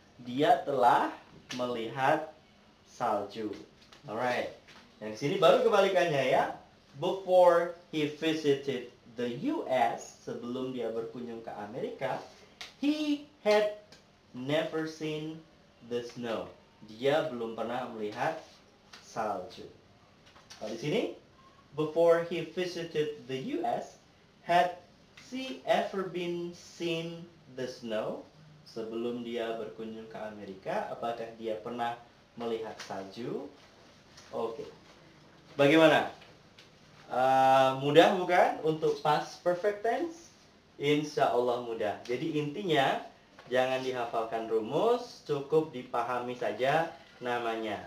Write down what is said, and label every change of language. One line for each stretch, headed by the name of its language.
Indonesian: Dia telah melihat salju. Alright. Yang di sini baru kebalikannya ya.
English: Before he visited the US,
Indonesian: sebelum dia berkunjung ke Amerika,
English: he had never seen the snow.
Indonesian: Dia belum pernah melihat salju. Kalau di sini,
English: before he visited the US, had she ever been seen the snow?
Indonesian: Sebelum dia berkunjung ke Amerika, apakah dia pernah melihat salju? Oke. Bagaimana? Mudah bukan untuk past perfect tense? Insya Allah mudah. Jadi intinya, jangan dihafalkan rumus, cukup dipahami saja namanya.